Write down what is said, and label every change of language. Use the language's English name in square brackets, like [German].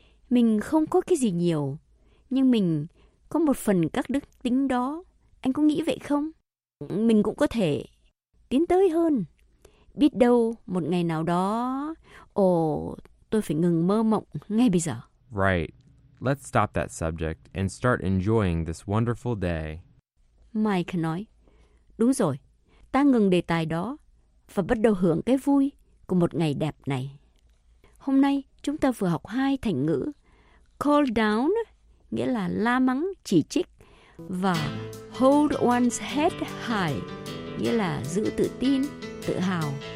[Vietnamese] Mình không có cái gì nhiều, nhưng mình có một phần các đức tính đó. Anh có nghĩ vậy không? Mình cũng có thể tiến tới hơn. Biết đâu một ngày nào đó, tôi phải ngừng mơ mộng ngay bây giờ. [English] Right. Let's stop that subject and start enjoying this wonderful day. [Vietnamese] Mike nói, đúng rồi, ta ngừng đề tài đó và bắt đầu hưởng cái vui của một ngày đẹp này. Hôm nay chúng ta vừa học hai thành ngữ call down, nghĩa là la mắng, chỉ trích, và [English] hold one's head high, [Vietnamese] nghĩa là giữ tự tin, tự hào.